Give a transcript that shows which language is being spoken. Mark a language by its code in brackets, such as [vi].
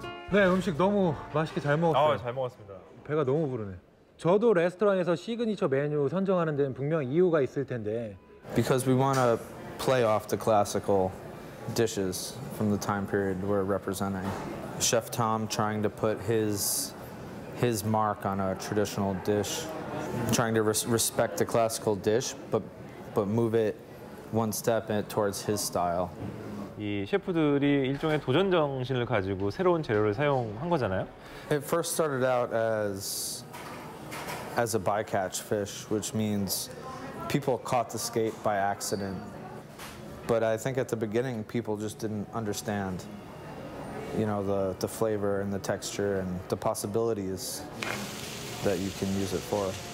[ko] 네, 음식 너무 맛있게 잘 먹었어요. 잘 먹었습니다. 배가 너무 부르네. 저도 레스토랑에서 시그니처 메뉴 선정하는 데는 분명 이유가 있을 텐데. [en] Because we want to play off the classical dishes from the time period we're representing. Chef Tom trying to put his mark on a traditional dish, trying to respect the classical dish, but move it one step towards his style. [ko] 이 셰프들이 일종의 도전 정신을 가지고 새로운 재료를 사용한 거잖아요. [en] It first started out as a bycatch fish, which means people caught the skate by accident. But I think at the beginning, people just didn't understand, you know, the flavor and the texture and the possibilities that you can use it for.